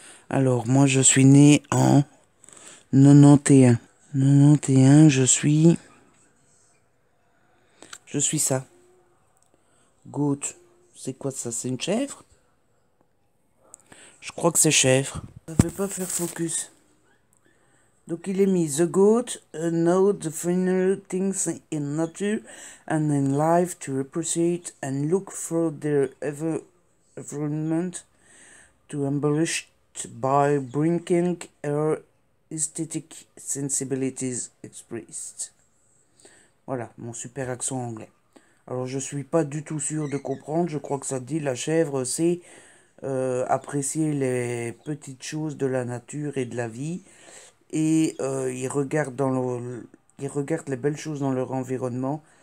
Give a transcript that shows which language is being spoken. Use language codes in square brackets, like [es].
[fr] Alors, moi, je suis né en 91. 91, je suis ça. Goutte. C'est quoi ça? C'est une chèvre? Je crois que c'est chèvre. Ça ne veut pas faire focus. Donc, il est mis. [en] The goat know the final things in nature and in life to appreciate and look for their environment to embellish by bringing her aesthetic sensibilities expressed. [fr] Voilà, mon super accent anglais. Alors, je suis pas du tout sûr de comprendre. Je crois que ça dit la chèvre, c'est apprécier les petites choses de la nature et de la vie. Et il regarde les belles choses dans leur environnement.